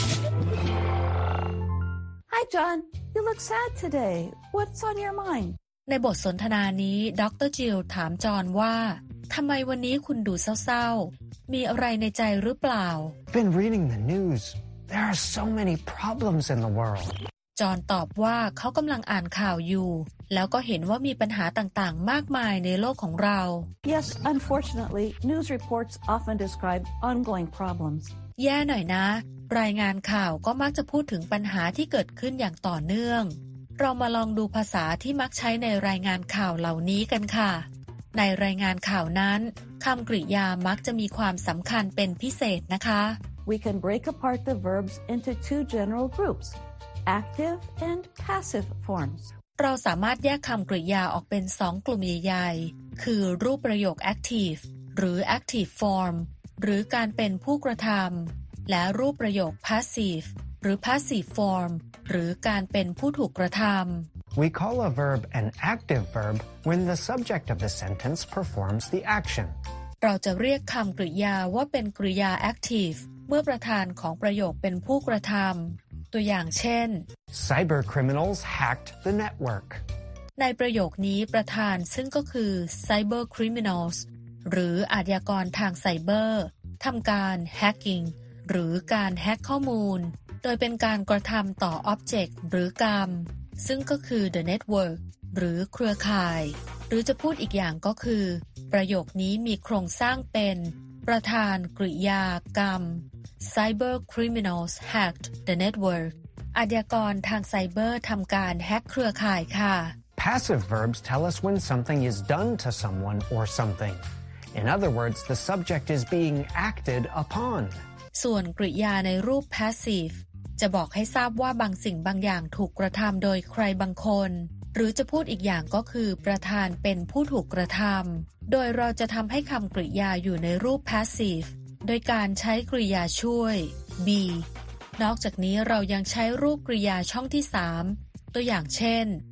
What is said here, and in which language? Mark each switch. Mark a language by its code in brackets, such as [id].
[en] Hi John, you look sad today. What's on your mind [th] ในบทสนทนานี้ดร. จิลถามจอห์นว่าทำไมวันนี้คุณดูเศร้าๆมีอะไรในใจหรือเปล่า [en] I've been reading the news. There are so many problems in the world. [th] จอห์นตอบว่าเขากำลังอ่านข่าวอยู่แล้วก็เห็นว่ามีปัญหาต่างๆมากมายในโลกของเรา [en] Yes, unfortunately, news reports often describe ongoing problems. [th] แย่หน่อยนะรายงานข่าวก็มักจะพูดถึงปัญหาที่เกิดขึ้นอย่างต่อเนื่องเรามาลองดูภาษาที่มักใช้ในรายงานข่าวเหล่านี้กันค่ะในรายงานข่าวนั้นคำกริยามักจะมีความสำคัญเป็นพิเศษนะคะ [en] We can break apart the verbs into two general groups, active and passive forms. [th] เราสามารถแยกคำกริยาออกเป็น2กลุ่มใหญ่ๆคือรูปประโยค active หรือ active form หรือการเป็นผู้กระทำและรูปประโยค passive หรือ passive formหรือการเป็นผู้ถูกกระทำ [en] We call a verb an active verb when the subject of the sentence performs the action. [th] เราจะเรียกคำกริยาว่าเป็นกริยา active เมื่อประธานของประโยคเป็นผู้กระทำตัวอย่างเช่น [en] Cyber criminals hacked the network. [th] ในประโยคนี้ประธานซึ่งก็คือ cyber criminals หรืออาชญากรทางไซเบอร์ทำการ hacking หรือการแฮกข้อมูลโดยเป็นการกระทำต่อออบเจกต์หรือกรรมซึ่งก็คือ the network หรือเครือข่ายหรือจะพูดอีกอย่างก็คือประโยคนี้มีโครงสร้างเป็น ประธานกริยากรรม [en] Cyber Criminals Hacked the Network [th] อาชญากรทางไซเบอร์ทำการแฮกเครือข่ายค่ะ [en] Passive verbs tell us when something is done to someone or something. In other words, the subject is being acted upon. [th] ส่วนกริยาในรูป passive จะบอกให้ทราบว่าบางสิ่งบางอย่างถูกกระทำโดยใครบางคนหรือจะพูดอีกอย่างก็คือประธานเป็นผู้ถูกกระทำโดยเราจะทำให้คำกริยาอยู่ในรูป passive โดยการใช้กริยาช่วย be นอกจากนี้เรายังใช้รูปกริยาช่องที่3ตัวอย่างเช่น